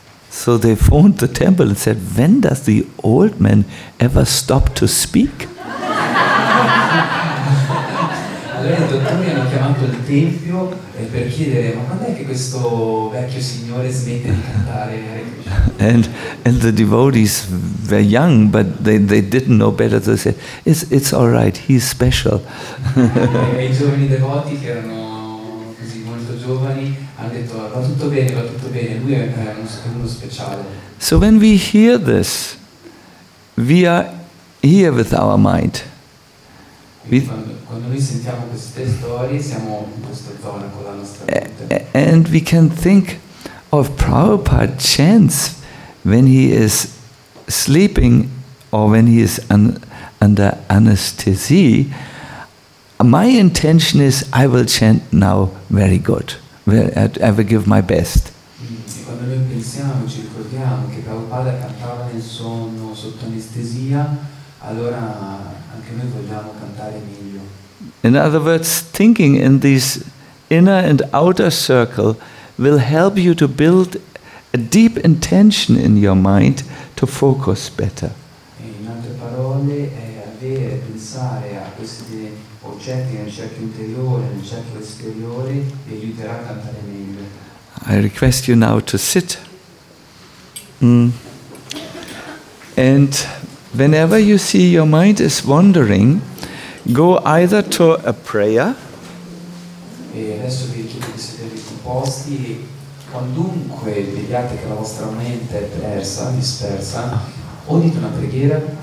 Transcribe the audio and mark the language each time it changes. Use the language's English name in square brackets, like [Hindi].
[English] So they phoned the temple and said, when does the old man ever stop to speak? [Italian] Allora i dottori hanno chiamato il tempio per chiedere, ma quando è che questo vecchio signore smette di cantare? [English] And the devotees were young, but they didn't know better. They said, it's all right, he's special. [Italian] I giovani devoti che erano così molto giovani hanno detto, va tutto bene, lui è uno speciale. [English] So when we hear this, we are here with our mind. [Italian] Quando noi sentiamo queste storie, siamo in questa zona con la nostra mente. [English] And we can think of Prabhupada chants when he is sleeping or when he is under anesthesia. My intention is I will chant now very good. I will give my best. [Italian] Quando noi pensiamo, ci ricordiamo che Prabhupada cantava nel sonno sotto anestesia, allora anche noi vogliamo cantare meglio. [English] In other words, thinking in this inner and outer circle will help you to build a deep intention in your mind to focus better. [Italian] In altre parole, avere, pensare a questi oggetti nel cerchio interiore, nel cerchio esteriore, vi aiuterà a cantare meglio. [English] I request you now to sit. And whenever you see your mind is wandering, go either to a prayer. [Italian] E adesso vi chiedo di sedervi composti. Qualunque vediate che la vostra mente è persa, dispersa, o dite una preghiera.